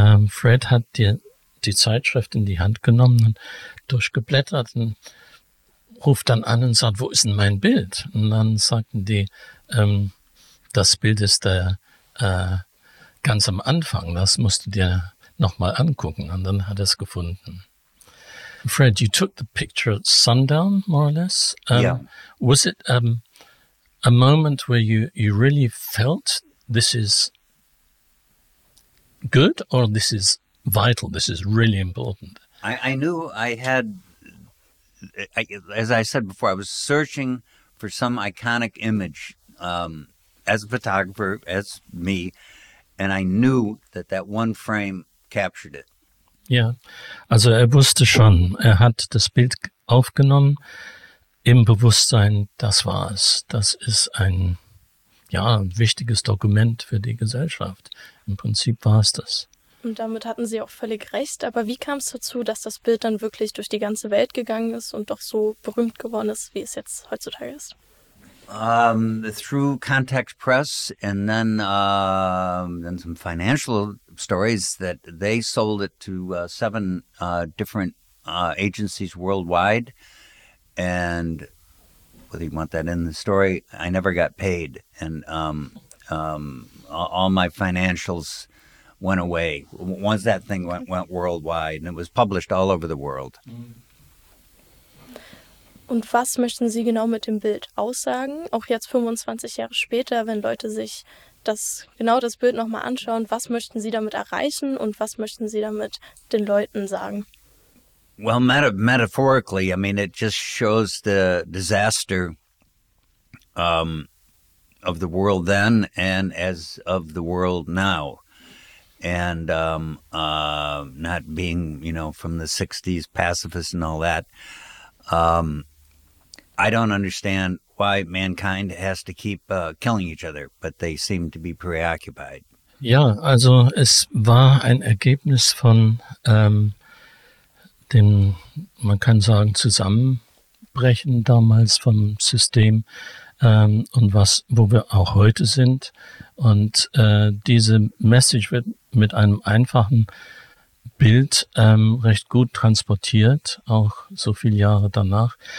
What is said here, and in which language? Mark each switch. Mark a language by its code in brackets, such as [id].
[de] Fred hat die Zeitschrift in die Hand genommen und durchgeblättert und ruft dann an und sagt, wo ist denn mein Bild? Und dann sagten die, das Bild ist ganz am Anfang, das musst du dir nochmal angucken. Und dann hat er es gefunden. [en] Fred, you took the picture at sundown, more or less. Yeah. Was it a moment where you really felt this is good or this is vital, this is really important? I knew I had, as I said before, I was searching for some iconic image as a photographer, as me, and I knew that that one frame captured it. [de] Ja, also er wusste schon, er hat das Bild aufgenommen im Bewusstsein, das war es. Das ist ein wichtiges Dokument für die Gesellschaft. Im Prinzip war es das. Und damit hatten Sie auch völlig recht. Aber wie kam es dazu, dass das Bild dann wirklich durch die ganze Welt gegangen ist und doch so berühmt geworden ist, wie es jetzt heutzutage ist? [en] Through Contact Press and then some financial stories that they sold it to seven different agencies worldwide. And whether you want that in the story, I never got paid. And all my financials went away once that thing went worldwide. And it was published all over the world. [de] Und was möchten Sie genau mit dem Bild aussagen? Auch jetzt 25 Jahre später, wenn Leute sich das Bild nochmal anschauen, was möchten Sie damit erreichen und was möchten Sie damit den Leuten sagen? [en] Well, metaphorically, I mean, it just shows the disaster of the world then and as of the world now. And not being, from the 60s, pacifist and all that. I don't understand why mankind has to keep killing each other, but they seem to be preoccupied. [de] Ja, also es war ein Ergebnis von dem, man kann sagen, Zusammenbrechen damals vom System und was, wo wir auch heute sind. Und diese Message wird mit einem einfachen Bild recht gut transportiert, auch so viele Jahre danach.